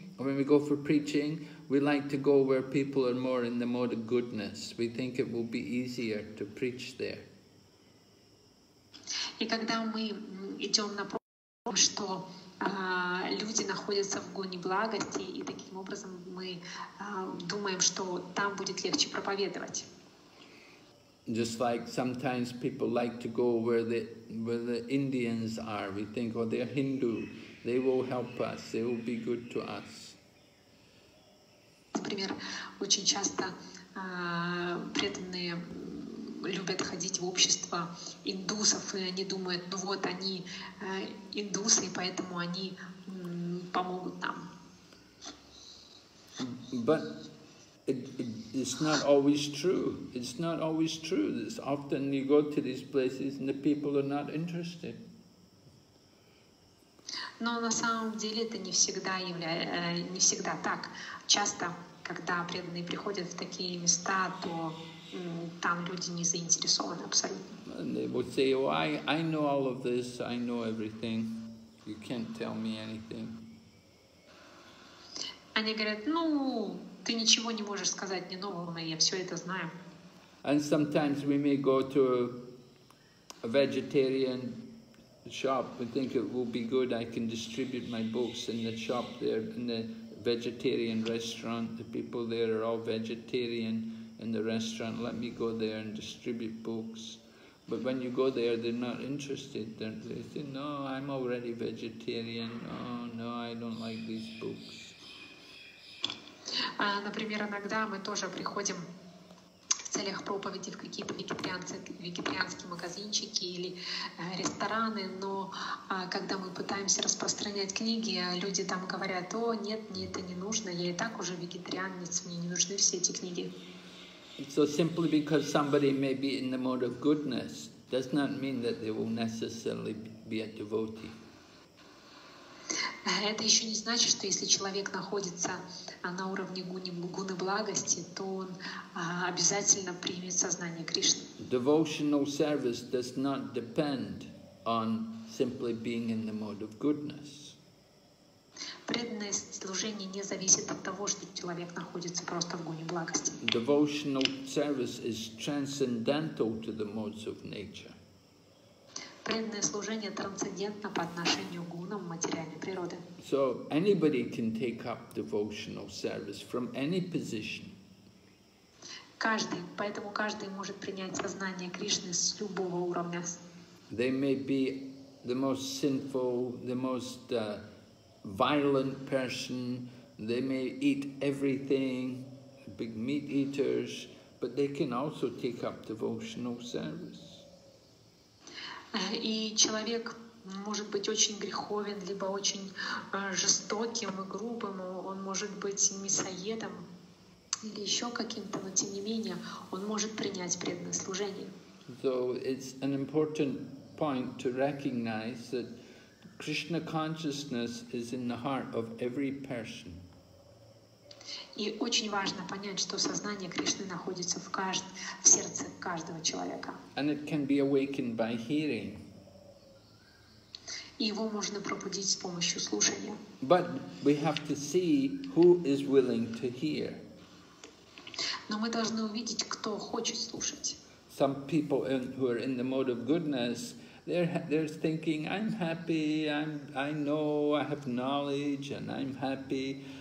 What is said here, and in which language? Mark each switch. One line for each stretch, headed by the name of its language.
English: When we go for preaching, we like to go where people are more in the mode of goodness. We think it will be easier to preach there.
Russian: И когда мы идем на проповедь, что люди находятся в гоне благости, и таким образом мы думаем, что там будет легче проповедовать.
English: Just like sometimes people like to go where the Indians are. We think, oh, they're Hindu. They will help us. They will be good to us.
Russian: Например, очень часто преданные любят ходить в общество индусов, и они думают, ну вот они индусы, поэтому они помогут нам.
English: But it's not always true. It's not always true. It's often you go to these places and the people are not interested.
Russian: Но на самом деле это не всегда так. Часто, когда преданные приходят в такие места, то там люди не заинтересованы абсолютно.
English: And they would say, oh, I know all of this, I know everything. You can't tell me anything.
Russian: Они говорят, ну, ты ничего не можешь сказать мне нового, но я все это знаю.
English: And sometimes we may go to a vegetarian shop. We think it will be good. I can distribute my books in the shop there, in the vegetarian restaurant. The people there are all vegetarian in the restaurant. Let me go there and distribute books. But when you go there, they're not interested. They say, no, I'm already vegetarian. Oh, no, I don't like these books.
Russian: Например, иногда мы тоже приходим в целях проповеди в какие-то вегетарианские магазинчики или рестораны, но когда мы пытаемся распространять книги, люди там говорят, о, нет, мне это не нужно, я и так уже вегетарианец, мне не нужны все эти книги.
English: So simply because somebody may be in the mode of goodness does not mean that they will necessarily be a devotee.
Russian: Это еще не значит, что если человек находится на уровне гуны благости, то он обязательно примет сознание Кришны.
English: Devotional service does not depend on simply being in the mode of goodness.
Russian: Преданное служение не зависит от того, что человек находится просто в гуне благости.
English: Devotional service is transcendental to the modes of nature.
Russian: Преданное служение трансцендентно по отношению к гунам материальной природы.
English: So anybody can take up devotional service from any position.
Russian: Каждый, поэтому каждый может принять сознание Кришны с любого уровня.
English: They may be the most sinful, the most violent person. They may eat everything, big meat eaters, but they can also take up devotional service.
Russian: И человек может быть очень греховен, либо очень жестоким и грубым, он может быть мясоедом или еще каким-то, но тем не менее он может принять преданное служение.
English: So it's an important point to recognize that Krishna consciousness is in the heart of every person.
Russian: И очень важно понять, что сознание Кришны находится в сердце каждого человека.
English: And it can be awakened by hearing.
Russian: И его можно пробудить с помощью слушания.
English: But we have to see who is willing to hear.
Russian: Но мы должны увидеть, кто хочет слушать.
English: Some people who are in the mode of goodness, they're thinking, I'm happy, I know, I have knowledge, and I'm happy.